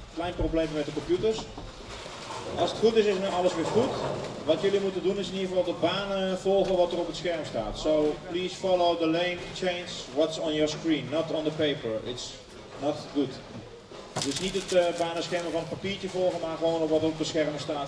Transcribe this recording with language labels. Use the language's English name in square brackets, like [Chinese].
[Dutch] Klein probleem met de computers. Als het goed is, is nu alles weer goed. Wat jullie moeten doen is in ieder geval de banen volgen wat er op het scherm staat. [English] So please follow the lane change what's on your screen, not on the paper. It's not good. [Dutch] Dus niet het banenschema van het papiertje volgen, maar gewoon op wat op het scherm staat.